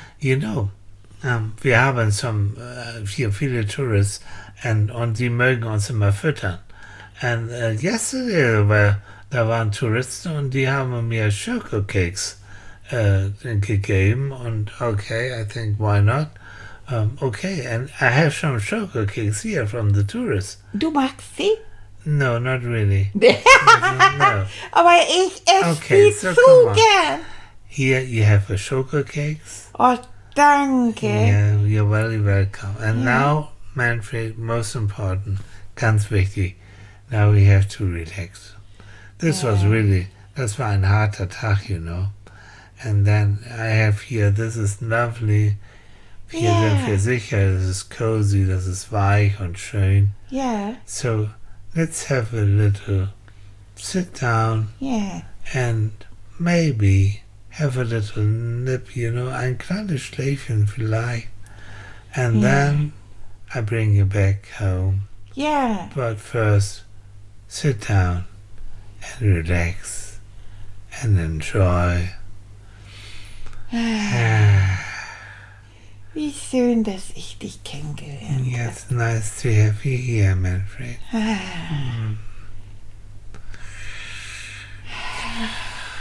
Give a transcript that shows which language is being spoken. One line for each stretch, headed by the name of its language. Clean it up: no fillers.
English: You know,
German: wir haben viele Touristen und die mögen uns immer füttern.
English: And yesterday
German: da waren Touristen und die haben mir Schokokeks gegeben.
English: Und okay, I think, why not? Okay, and I have some Schokokeks here from the tourists.
German: Du magst sie?
English: No, not really. No.
German: Aber ich esse sie so gern.
English: Here you have a sugar cake.
German: Oh, danke.
English: Yeah, you're very welcome. And now, Manfred, most important,
German: ganz wichtig,
English: now we have to relax. This was really,
German: das war ein harter Tag,
English: you know. And then I have here, this is lovely.
German: Hier sind wir sicher,
English: this is cozy, this is
German: weich und schön.
English: Yeah. So, let's have a little sit down. Yeah. And maybe have a little nip, you know,
German: ein kleines Schläfchen vielleicht.
English: And then I bring you back home. Yeah. But first, sit down and relax and enjoy.
German: Wie schön, dass ich dich kennengelernt habe.
English: It's nice to have you here, Manfred.